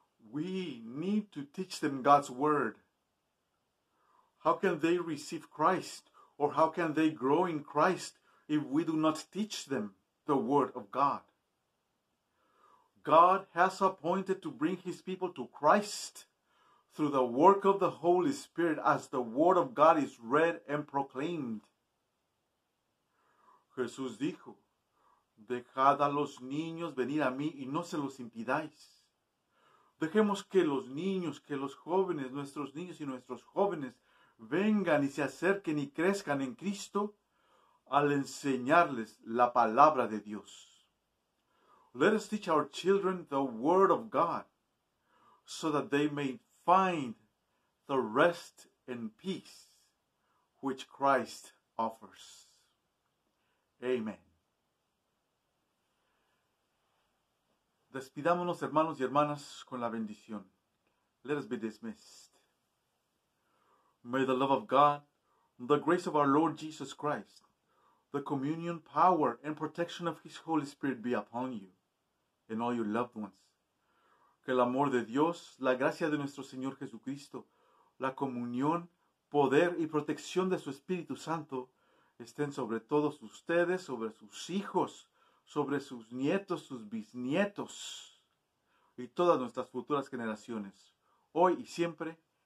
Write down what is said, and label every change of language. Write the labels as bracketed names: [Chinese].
[English] We need to teach them God's word. How can they receive Christ, or how can they grow in Christ, if we do not teach them the word of God? God has appointed to bring His people to Christ through the work of the Holy Spirit as the word of God is read and proclaimed. [Spanish] Jesús dijo, "Dejad a los niños venir a mí y no se los impidáis." Dejemos que los niños, que los jóvenes, nuestros niños y nuestros jóvenes vengan y se acerquen y crezcan en Cristo al enseñarles la palabra de Dios. [English] Let us teach our children the word of God so that they may find the rest and peace which Christ offers. Amen. [Spanish] Despidámonos, hermanos y hermanas, con la bendición. [English] Let us be dismissed. May the love of God, the grace of our Lord Jesus Christ, the communion, power, and protection of His Holy Spirit be upon you and all your loved ones. [Spanish] Que el amor de Dios, la gracia de nuestro Señor Jesucristo, la comunión, poder y protección de su Espíritu Santo estén sobre todos ustedes, sobre sus hijos, sobre sus nietos, sus bisnietos y todas nuestras futuras generaciones, hoy y siempre.